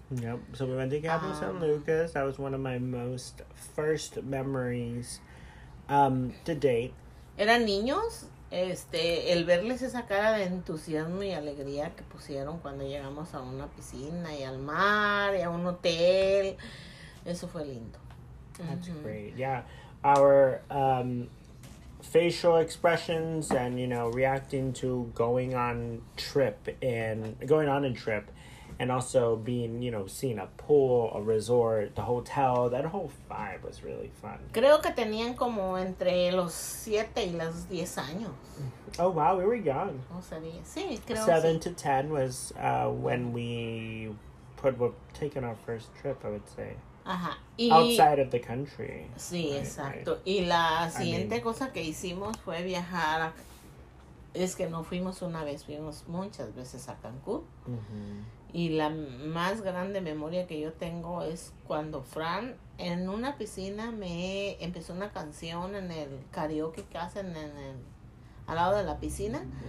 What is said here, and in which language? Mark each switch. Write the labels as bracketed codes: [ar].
[en] Yep, so we went to Cabo San Lucas, that was one of my most first memories to date. [es] Eran niños. El verles esa cara de entusiasmo y alegría que pusieron cuando llegamos a una piscina y al mar y a un hotel, eso fue lindo. [en] That's great, yeah. Our facial expressions and, you know, reacting to going on a trip and also being, you know, seeing a pool, a resort, the hotel, that whole vibe was really fun. [es] Creo que tenían como entre los 7 y los 10 años. [en] Oh, wow, we were young. [es] O sea, sí, creo [en] 7 [es] sí. [en] to 10 was when we were taking our first trip, I would say. [es] Ajá. [en] Outside of the country. [es] Sí, right, exacto. Right. Y la siguiente cosa que hicimos fue viajar. Es que no fuimos una vez, fuimos muchas veces a Cancún. Y la más grande memoria que yo tengo es cuando Fran en una piscina me empezó una canción en el karaoke que hacen en el al lado de la piscina.